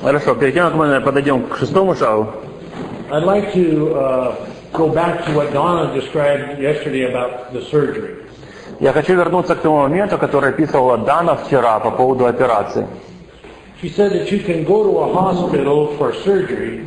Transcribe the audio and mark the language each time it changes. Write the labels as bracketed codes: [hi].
[ru] хорошо, перед тем, как мы подойдем к шестому шагу, [en] I'd like to go back to what Donna described yesterday about the surgery. [ru] Я хочу вернуться к тому моменту, который описывала Дана вчера по поводу операции. [en] She said that you can go to a hospital for surgery.